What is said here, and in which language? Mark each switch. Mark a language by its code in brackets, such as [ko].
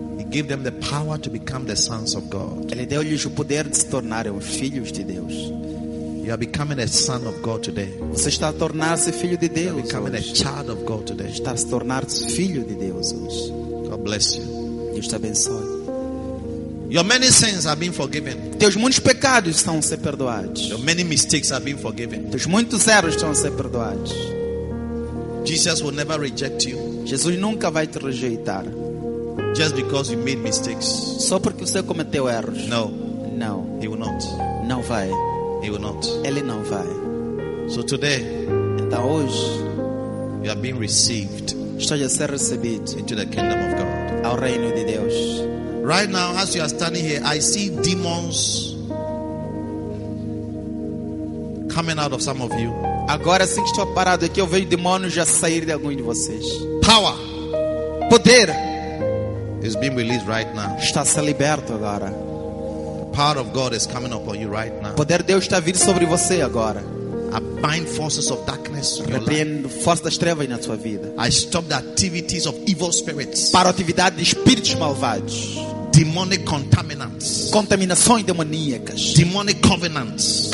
[en] Give them the power to become the sons of God. [pt] Ele deu-lhes o poder de se tornarem filhos de Deus. [en] You are becoming a son of God today. [pt] Você está a tornar-se filho de Deus. [en] You are becoming [pt] hoje. [en] A child of God today. [pt] Está a se tornar filho de Deus hoje. [en] God bless you. [pt] Deus te abençoe. [en] Your many sins have been forgiven. [pt] Teus muitos pecados estão a ser perdoados. [en] Your many mistakes have been forgiven. [pt] Teus muitos erros estão a ser perdoados. [en] Jesus will never reject you. [pt] Jesus nunca vai te rejeitar. [en] Just because you made mistakes. [pt] Só porque você cometeu erros. [en] No. [pt] Não. [en] He will not. [pt] Não vai. [en] He will not. [pt] Ele não vai. [en] So today, [pt] então hoje, [en] you are being received. [pt] Estás a ser recebido [en] into the kingdom of God. [pt] Ao reino de Deus. [en] Right now, as you are standing here, I see demons coming out of some of you. [pt] Agora sim que estou parado aqui, eu vejo demônios já sair de algum de vocês. [en] Power. [pt] Poder. [en] Is being released right now. [pt] Está sendo liberto agora. [en] The power of God is coming upon you right now. [pt] Poder de Deus está vindo sobre você agora. [en] I bind forces of darkness. [pt] Repreendo forças das trevas na sua vida. [en] I stop the activities of evil spirits. [pt] Paro a atividade de espíritos malvados. [en] Demonic contaminants. [pt] Contaminações demoníacas. [en] Demonic covenants.